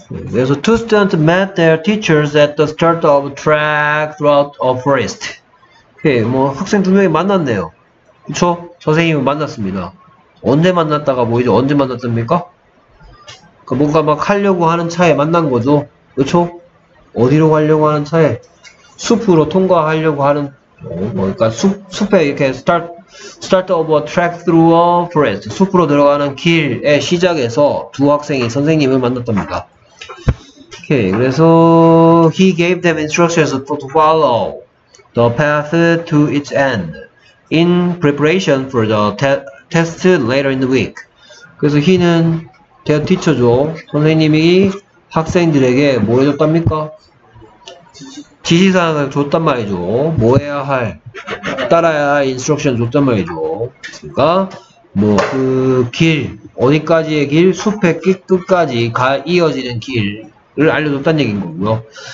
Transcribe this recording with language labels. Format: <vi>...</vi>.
<ko>그래서</ko> <en>two students met their teachers at the start of track throughout a forest.</en> <ko>뭐 학생 두 명이 만났네요. 그쵸? 선생님을 만났습니다. 언제 만났다가 뭐이죠? 언제 만났습니까? 그 뭔가 막 하려고 하는 차에 만난 거죠. 그쵸? 어디로 가려고 하는 차에? 숲으로 통과하려고 하는, 뭐, 그러니까 숲에 이렇게</ko> <en>start of a track through a forest.</en> <ko>숲으로 들어가는 길의 시작에서 두 학생이 선생님을 만났답니다. 오케이. 그래서,</ko> <en>he gave them instructions to follow the path to its end. In preparation for the test later in the week.</en> <ko>그래서 he는</ko> <en>their teacher</en> <ko>죠. 선생님이 학생들에게 뭘 해줬답니까? 지시사항을 줬단 말이죠. 뭐 해야 할, 따라야 할 instruction 줬단 말이죠. 그러니까 뭐 그 길, 어디까지의 길, 숲의 끝까지 이어지는 길을 알려줬다는 얘기인 거고요.</ko>